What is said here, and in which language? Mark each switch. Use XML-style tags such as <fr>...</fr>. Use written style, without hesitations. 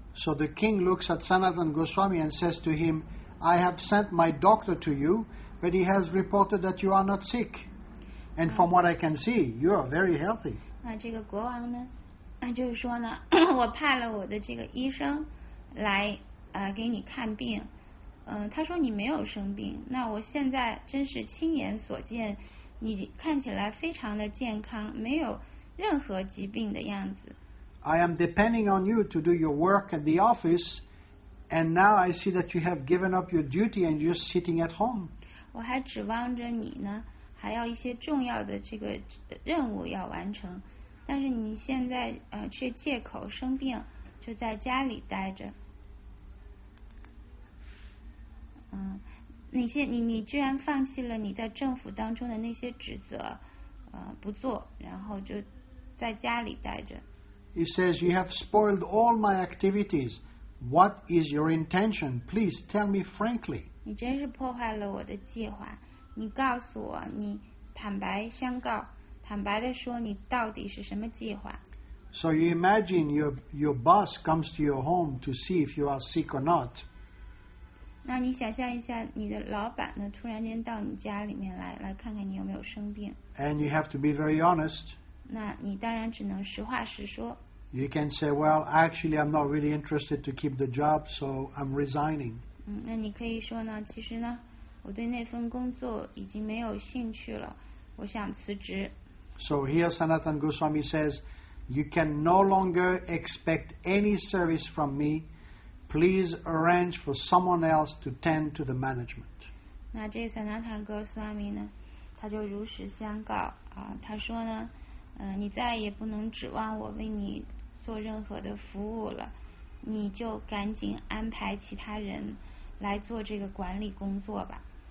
<en>So the king looks at Sanatan Goswami and says to him, "I have sent my doctor to you, but he has reported that you are not sick, and from what I can see, you are very healthy."</en> <zh>那这个国王呢，那就是说呢，我派了我的这个医生来。给你看病，他说你没有生病，那我现在真是亲眼所见，你看起来非常的健康，没有任何疾病的样子。</zh> <en>I am depending on you to do your work at the office, and now I see that you have given up your duty and you're just sitting at home.</en> <zh>我还指望着你呢，还要一些重要的这个任务要完成，但是你现在却借口生病，就在家里待着。你居然放弃了你在政府当中的那些职责，不做，然后就在家里待着。</zh> <en>He says, "You have spoiled all my activities. What is your intention? Please tell me frankly."</en> <zh>你真是破坏了我的计划。你告诉我，你坦白相告，坦白地说，你到底是什么计划</zh> <en>？So you imagine your boss comes to your home to see if you are sick or not.</en> <zh>那你想象一下，你的老板呢，突然间到你家里面来看看你有没有生病。</zh> <en>And you have to be very honest.</en> <zh>那你当然只能实话实说。</zh> <en>You can say, "Well, actually, I'm not really interested to keep the job, so I'm resigning."</en> <zh>那你可以说呢，其实呢，我对那份工作已经没有兴趣了，我想辞职。</zh> <en>So here, Sanatan Goswami says, "You can no longer expect any service from me." Please arrange for someone else to tend to the management.</en> <zh>那这三大坦哥苏阿弥呢，他就如实相告他说呢，你再也不能指望我为你做任何的服务了，你就赶紧安排其他人来做这个管理工作吧。</zh>